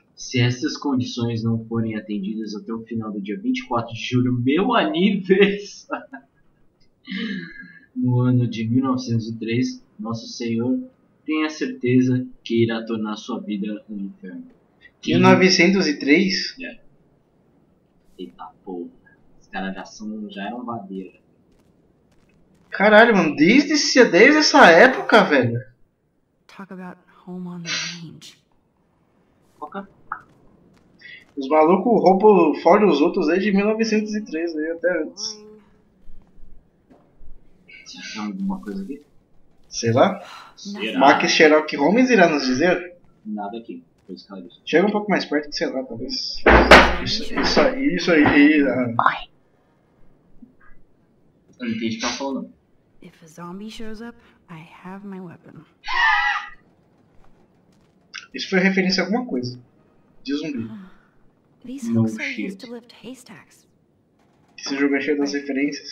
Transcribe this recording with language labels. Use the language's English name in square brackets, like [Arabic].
[Portuguese] Se essas condições não forem atendidas até o final do dia 24 de julho, meu aniversário, no ano de 1903, nosso senhor tenha certeza que irá tornar sua vida um inferno. Mil novecentos e três. Eita porra, os caras já eram madeira. Caralho, mano, desde essa época, velho. [English] Talk about home on the range. [Portuguese] Foca. Os malucos roubam fora os outros desde 1903, aí até antes. Você achou alguma coisa aqui? Sei lá. Será? Max Sherlock Holmes irá nos dizer? Nada aqui. Foi isso que ela disse. Chega um pouco mais perto, sei lá, talvez. Isso aí, Eu não entendi o que ela falou, não. [English] If a zombie shows up, I have my weapon. [Portuguese] Isso foi referência a alguma coisa. De zumbi. [English] These No hooks are used shit. to lift haystacks. [Portuguese] Esse jogo é cheio das referências.